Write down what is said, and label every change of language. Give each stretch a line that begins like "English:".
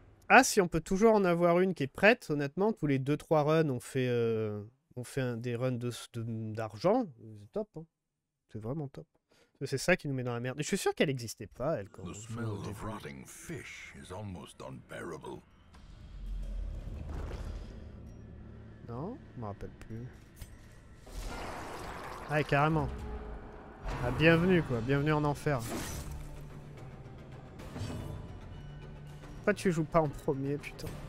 French: Ah, si on peut toujours en avoir une qui est prête, honnêtement, tous les 2-3 runs, on fait des runs d'argent. C'est top, hein. C'est vraiment top. C'est ça qui nous met dans la merde. Et je suis sûr qu'elle n'existait pas, elle, quand
English: The smell of rotting fish is almost unbearable.
French: Non, je m'en rappelle plus. Ah, carrément. Ah, bienvenue, quoi. Bienvenue en enfer. Pourquoi tu joues pas en premier, putain?